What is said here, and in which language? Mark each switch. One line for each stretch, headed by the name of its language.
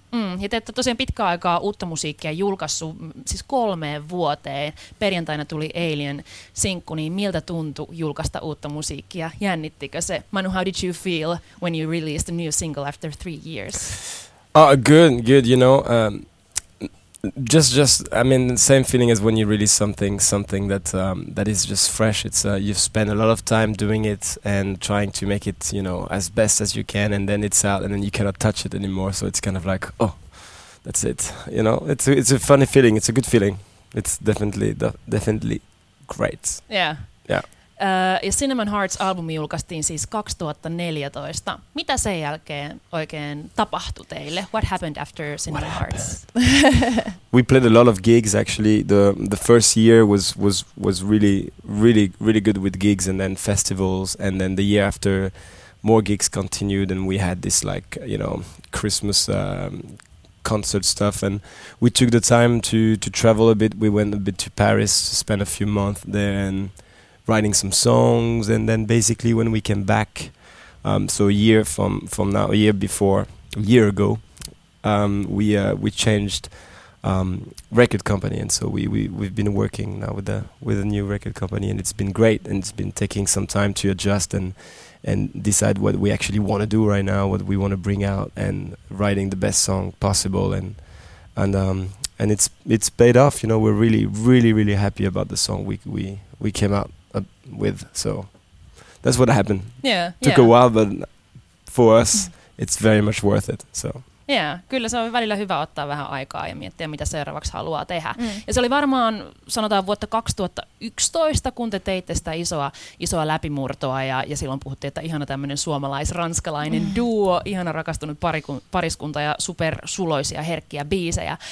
Finnish: Mm, ja te ette tosiaan pitkään aikaa uutta musiikkia julkaissut, siis 3 vuoteen, perjantaina tuli Alien sinkku, niin miltä tuntui julkaista uutta musiikkia, jännittikö se?
English: Manu, how did you feel when you released a new single after 3 years? Good, you know. Just, I mean, the same feeling as when you release something that is just fresh. It's you've spent a lot of time doing it and trying to make it, you know, as best as you can, and then it's out, and then you cannot touch it anymore. So it's kind of like, oh, that's it. You know, it's a funny feeling. It's a good feeling. It's definitely great. Yeah. Yeah.
Finnish: Ja Cinnamon Hearts-albumi julkaistiin siis 2014. Mitä sen jälkeen oikein tapahtui teille?
English: What happened after Cinnamon Hearts? We played a lot of gigs actually. The first year was really, really, really good with gigs and then festivals. And then the year after, more gigs continued and we had this like, you know, Christmas concert stuff, and we took the time to travel a bit. We went a bit to Paris, spent a few months there and writing some songs, and then basically when we came back, so a year from now, a year ago, we changed record company, and so we've been working now with a new record company, and it's been great, and it's been taking some time to adjust and decide what we actually want to do right now, what we want to bring out, and writing the best song possible, and it's paid off. You know, we're really, really, really happy about the song we came out with, so that's what happened. Yeah, took yeah. a while, but for us, it's very much worth it. So
Finnish: yeah, kyllä se on välillä hyvä ottaa vähän aikaa ja miettiä, mitä seuraavaksi haluaa tehdä. Mm. Ja se oli varmaan, sanotaan, vuotta 2011, kun te teitte sitä isoa läpimurtoa, ja silloin puhuttiin, että ihana tämmöinen suomalais-ranskalainen duo, ihana rakastunut pariskunta ja supersuloisia herkkiä biisejä.